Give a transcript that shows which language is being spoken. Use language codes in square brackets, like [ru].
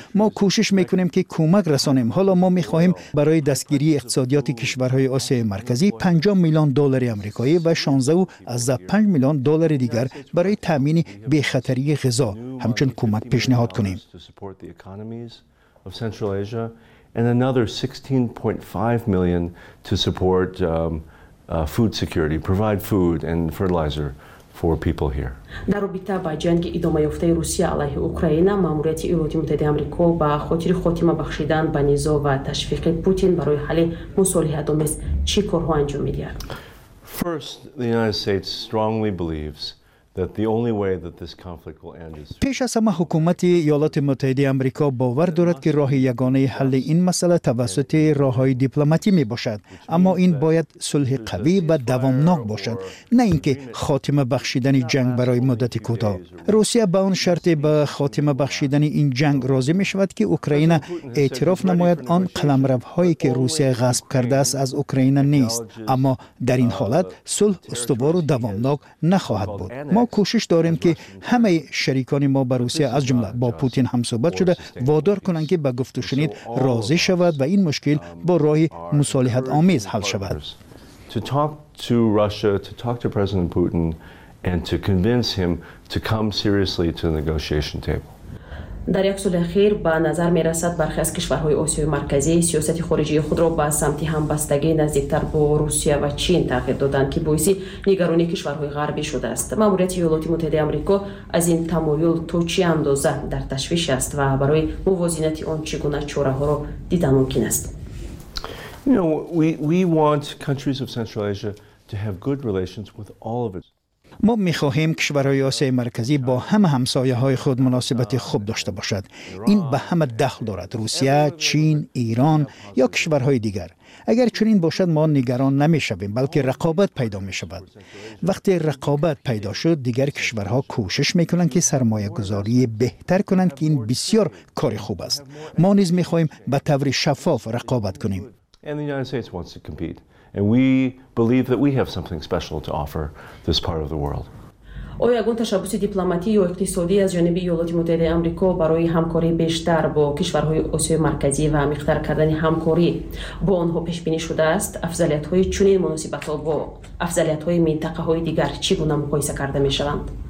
[fa] ما کوشش می‌کنیم که کمک رسانیم. حالا ما می‌خواهیم برای دستگیری اقتصادیات کشورهای آسیای مرکزی 50 میلیون دلار آمریکایی و 16.5 میلیون دلار دیگر برای تامین بی‌خطری غذا همچون کمک پیشنهاد کنیم. [en] And another 16.5 million to support food security, provide food and fertilizer for people here. [fa] در رابطه با جنگ ادامه یافته روسیه علیه اوکراین، ماموریت ایالات متحده آمریکا با خاطر خاتمه بخشیدن به نزاع و تشویق پوتین برای حل مصالحه‌آمیز چی کارها انجام می‌دهد؟ [en] First, the United States strongly believes that the only way that this conflict will end is [fa] پیش از همه حکومت ایالات متحده آمریکا باور دارد که راه یگانه حل این مسئله توسط راه‌های دیپلماتیک می باشد، اما این باید صلح قوی و دوامناک باشد، نه اینکه خاتمه بخشیدن جنگ برای مدت کوتاه. روسیه به آن شرط به خاتمه بخشیدن این جنگ راضی می شود که اوکراین اعتراف نماید آن قلمروهایی که روسیه غصب کرده است از اوکراین نیست، اما در این حالت صلح استوار و دوامناک نخواهد بود. ما کوشش داریم که همه شریکان ما به روسیه از جمله با پوتین هم صحبت شده وادار کنند که به گفت و شنید راضی شود و این مشکل با راه مصالحت آمیز حل شود. [en] To talk to Russia, to talk to President Putin and to convince him to come seriously to the negotiation table. [fa] در یک سال اخیر به نظر می رسد برخی از کشورهای آسیای مرکزی سیاست خارجی خود را به سمت همبستگی نزدیکتر با روسیه و چین تغییر دادند که باعث نگرانی کشورهای غربی شده است. ماموریت ایالات متحده آمریکا از این تمایل تا چه اندازه در تشویش است و برای موازنت آن چگونه چاره ها را دیدن ممکن است؟ [en] We want countries of Central Asia to have good relations with all of its. [fa] ما می خواهیم کشورهای آسیای مرکزی با همه همسایه های خود مناسبت خوب داشته باشد. این به همه دخل دارد، روسیه، چین، ایران یا کشورهای دیگر. اگر چنین باشد ما نگران نمی شویم، بلکه رقابت پیدا می شود. وقتی رقابت پیدا شد دیگر کشورها کوشش می کنند که سرمایه گذاری بهتر کنند که این بسیار کار خوب است. ما نیز می خواهیم به طور شفاف رقابت کنیم. [en] And we believe that we have something special to offer this part of the world. [fa] آیا گونه تشابهی دیپلماتیک و اقتصادی از جانب ایالات متحده آمریکا برای همکاری بیشتر با کشورهای آسیای مرکزی و مقدار کردن همکاری با آنها پیش بینی شده است؟ افضلیت های چنین مناسبت ها با افضلیت های منطقه های دیگر چگونه مقایسه کرده می شوند؟